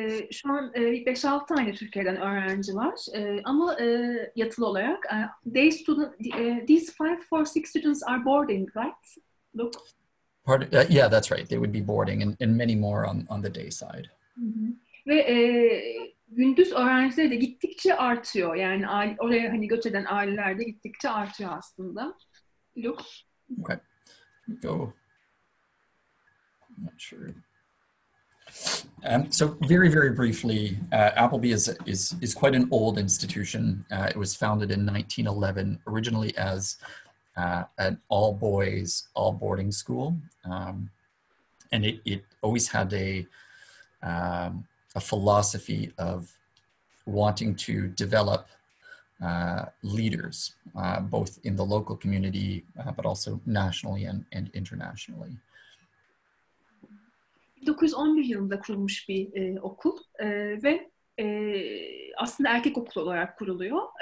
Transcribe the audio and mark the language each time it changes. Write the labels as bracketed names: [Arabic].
[Turkish] Şu an 5-6 tane Türkiye'den öğrenci var ama yatılı olarak [English] these 5-6 students are boarding, right? Look. Yeah, that's right. They would be boarding and many more on the day side. [Turkish] Hı-hı. Ve gündüz öğrencileri de gittikçe artıyor. Yani oraya hani göç eden aileler de gittikçe artıyor aslında. [English] Look. Okay. Go. I'm not sure. So very, very briefly, Appleby is quite an old institution. It was founded in 1911, originally as an all-boys, all-boarding school. And it always had a philosophy of wanting to develop leaders, both in the local community, but also nationally and internationally. [Turkish] 1911 yılında kurulmuş bir okul ve aslında erkek okulu olarak kuruluyor.